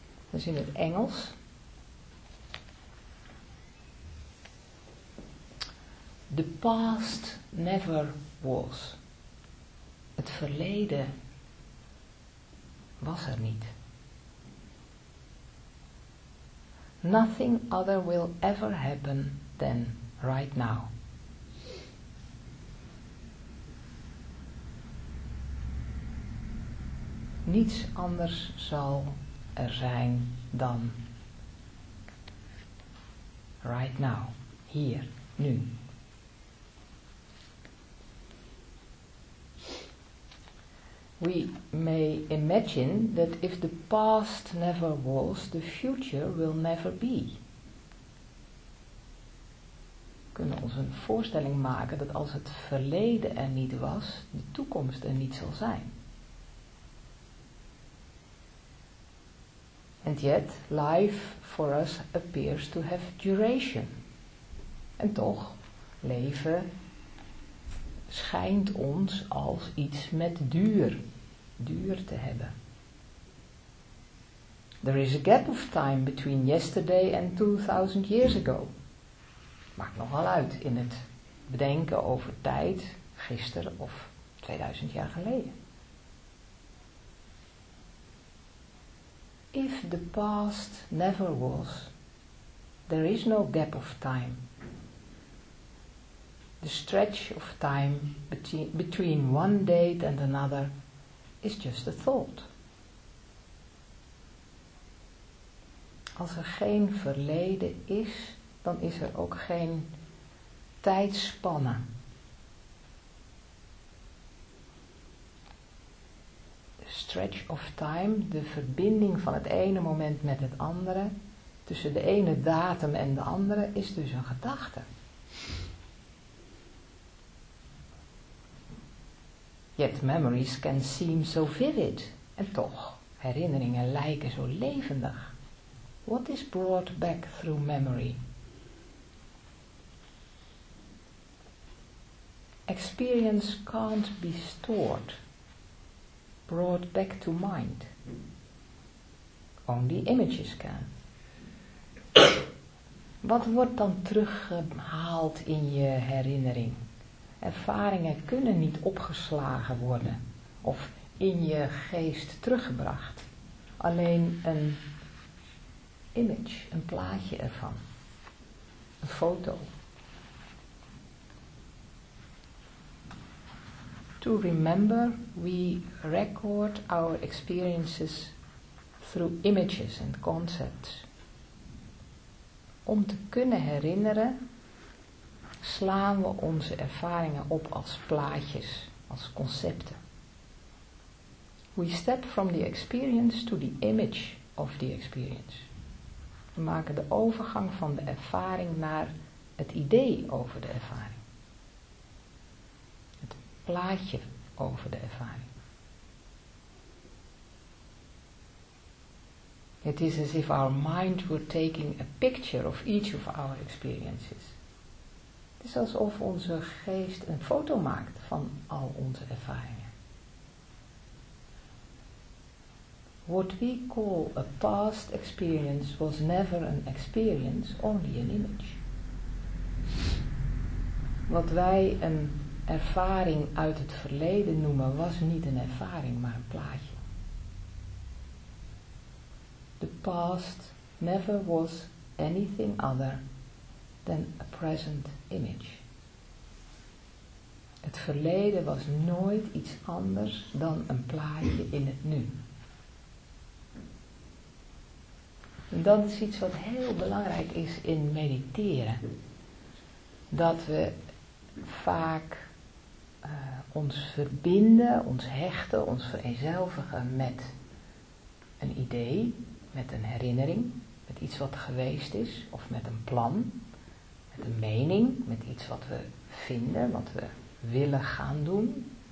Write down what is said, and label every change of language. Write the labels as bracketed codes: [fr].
[nl] Dat is in het Engels. [en] The past never was. [nl] Het verleden was er niet. [en] Nothing other will ever happen than right now. [nl] Niets anders zal er zijn dan [en] right now, [nl] hier, nu. [en] We may imagine that if the past never was, the future will never be. [nl] We kunnen ons een voorstelling maken dat als het verleden er niet was, de toekomst er niet zal zijn. [en] And yet, life for us appears to have duration. [nl] En toch, leven schijnt ons als iets met duur. Duur te hebben. [en] There is a gap of time between yesterday and 2000 years ago. [nl] Maakt nogal uit in het bedenken over tijd, gisteren of 2000 jaar geleden. [en] If the past never was, there is no gap of time. The stretch of time between one date and another is just a thought. [nl] Als er geen verleden is, dan is er ook geen tijdspanne. [en] Stretch of time, [nl] de verbinding van het ene moment met het andere, tussen de ene datum en de andere, is dus een gedachte. [en] Yet memories can seem so vivid. [nl] En toch, herinneringen lijken zo levendig. [en] What is brought back through memory? Experience can't be stored. Brought back to mind. Only images can. [nl] Wat wordt dan teruggehaald in je herinnering? Ervaringen kunnen niet opgeslagen worden of in je geest teruggebracht. Alleen een image, een plaatje ervan. Een foto. [en] To remember, we record our experiences through images and concepts. [nl] Om te kunnen herinneren, slaan we onze ervaringen op als plaatjes, als concepten. [en] We step from the experience to the image of the experience. [nl] We maken de overgang van de ervaring naar het idee over de ervaring. Plaatje over de ervaring. [en] It is as if our mind were taking a picture of each of our experiences. [nl] Het is alsof onze geest een foto maakt van al onze ervaringen. [en] What we call a past experience was never an experience, only an image. [nl] Wat wij een ervaring uit het verleden noemen was niet een ervaring, maar een plaatje. [en] The past never was anything other than a present image. [nl] Het verleden was nooit iets anders dan een plaatje in het nu. En dat is iets wat heel belangrijk is in mediteren. Dat we vaak ons verbinden, ons hechten, ons vereenzelvigen met een idee, met een herinnering, met iets wat geweest is, of met een plan, met een mening, met iets wat we vinden, wat we willen gaan doen.